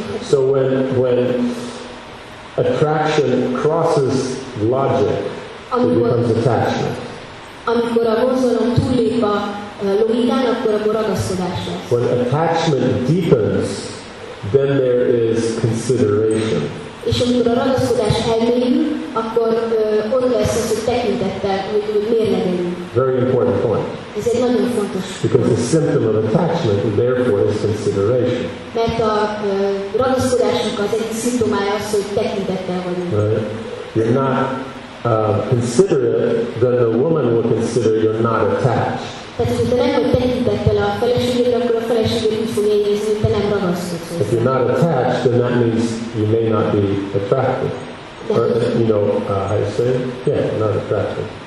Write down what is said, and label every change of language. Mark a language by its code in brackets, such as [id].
[en] So when attraction crosses logic, it becomes attachment. [hu] Amikor a vonzalom túllép a logikán, akkor a ragaszkodás lesz. [en] When attachment deepens, then there is consideration. [hu] És amikor a ragaszkodás elmélyül, akkor ott lesz az, hogy tekintettel, hogy mérlegelünk. [en] Very important point. [hu] Ez egy nagyon fontos. [en] Because the symptom of attachment and therefore is consideration. [hu] Mert a ragaszkodásnak az egyik szimptomája az, hogy tekintettel vagyunk. [en] Right? You're not considerate, then the woman will consider you're not attached. [hu] Tehát, hogyha nem vagy tekintettel a feleségére, akkor a feleségére úgy fog érezni, hogy te nem ragaszkodsz. [en] If you're not attached, then that means you may not be attracted. Or, you know, how you say it? Yeah, not attractive.